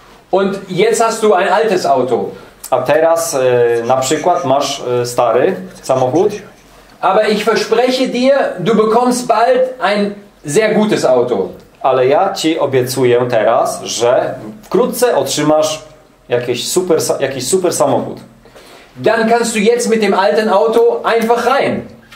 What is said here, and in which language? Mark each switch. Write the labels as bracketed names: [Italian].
[German] Und jetzt hast du ein altes Auto. [Polish] A teraz na przykład masz stary samochód. [German] Aber ich verspreche dir, du bekommst bald ein sehr gutes Auto. [Polish] Ale ja ci obiecuję teraz, że wkrótce otrzymasz jakiś super samochód. [German] Dann kannst du jetzt mit dem alten Auto einfach rein.